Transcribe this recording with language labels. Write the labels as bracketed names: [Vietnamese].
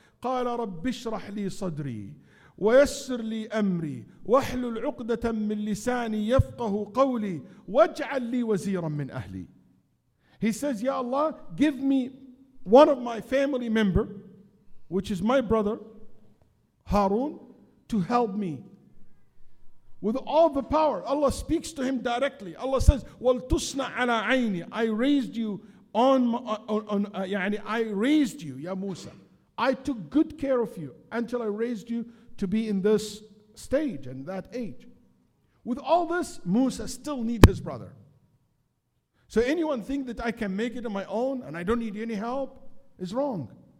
[Arabic] قَالَ رَبِّ اشْرَحْ لِي صَدْرِي وَيَسِّرْ لِي أَمْرِي وَحْلُ الْعُقْدَةً مِّن لِسَانِي يَفْقَهُ قَوْلِي وَاجْعَلْ لِي وَزِيرًا مِّنْ أَهْلِي. [English] He says, Ya Allah, give me one of my family member, which is my brother, Harun, to help me. With all the power, Allah speaks to him directly. [Arabic] Allah says, وَلْتُصْنَ عَلَىٰ عَيْنِي. [English] I raised you I raised you, Ya Musa. I took good care of you until I raised you to be in this stage and that age. With all this, Musa still needs his brother. So anyone think that I can make it on my own and I don't need any help is wrong.